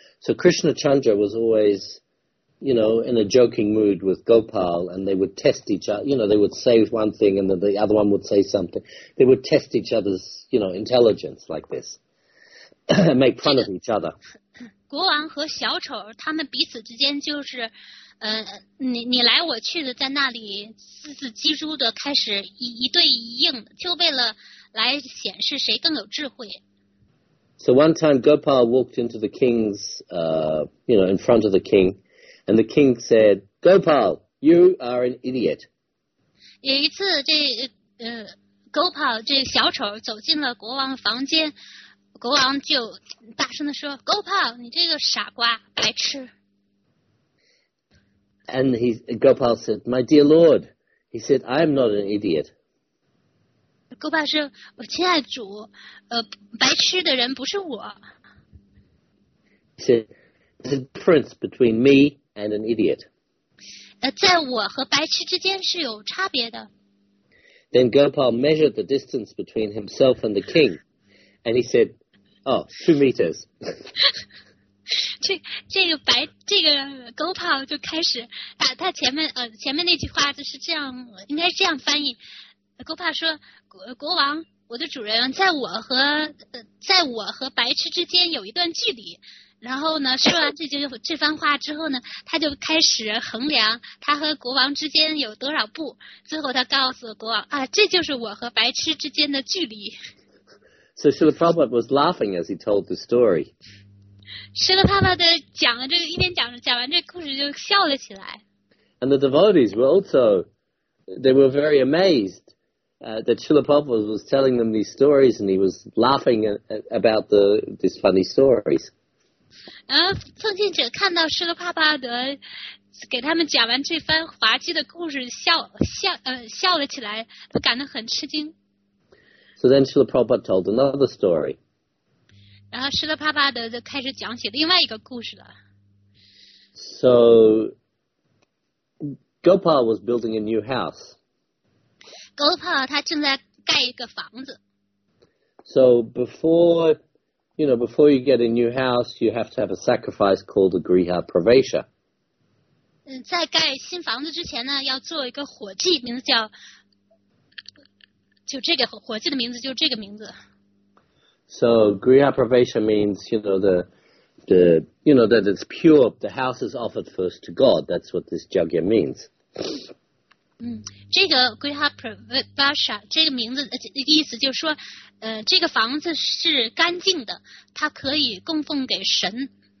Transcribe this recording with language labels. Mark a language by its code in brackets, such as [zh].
[en] So Krishna Chandra was always, you know, in a joking mood with Gopal, and they would test each other. You know, they would say one thing, and then the other one would say something. They would test each other's, you know, intelligence like this. make fun of each other. [zh] 国王和小丑他们彼此之间就是你来我去的在那里字字机珠的开始一对一应就为了来显示谁更有智慧。 [en] So one time Gopal walked into the king's, you know, in front of the king, and the king said, Gopal, you are an idiot. [zh] 有一次这Gopal, 这小丑走进了国王房间国王就大声地说 Gopal, 你这个傻瓜白痴。 [en] And Gopal said, my dear lord, he said, I am not an idiot. [zh] Gopal 说我亲爱主白痴的人不是我。 [en] He said, there's a difference between me and an idiot. [zh] 在我和白痴之间是有差别的。 [en] Then Gopal measured the distance between himself and the king, and he said,Oh, 2 meters. [zh] 这个白这个 Gopal 就开始把他前面那句话就是这样，应该是这样翻译。 Gopal 说国王，我的主人，在我和白痴之间有一段距离。然后呢，说完这番话之后呢，他就开始衡量他和国王之间有多少步。最后他告诉国王啊，这就是我和白痴之间的距离。 [en] So Srila Prabhupada was laughing as he told the story. [zh] Srila Prabhupada 讲了这个，一边讲完这个故事就笑了起来。 [en] And the devotees were also, they were very amazed that Srila Prabhupada was telling them these stories and he was laughing about these funny stories. [zh] 奉献者看到 Srila Prabhupada 给他们讲完这番滑稽的故事笑了起来，都感到很吃惊。 [en] So then Srila Prabhupada told another story. [zh] 然后 Srila Prabhupada 就开始讲起另外一个故事了。 [en] So Gopal was building a new house. [zh] Gopal 他正在盖一个房子。 [en] So before you get a new house, you have to have a sacrifice called a Griha Pravesha. [zh] 在盖新房子之前呢，要做一个火祭，名字叫。就这个火祭的名字就这个名字。 [en] So Griha Pravesha means, you know, that it's pure, the house is offered first to God. That's what this Jagya means. [zh] 这个 Griha Pravesha 这个名字意思就是说这个房子是干净的，它可以供奉给神。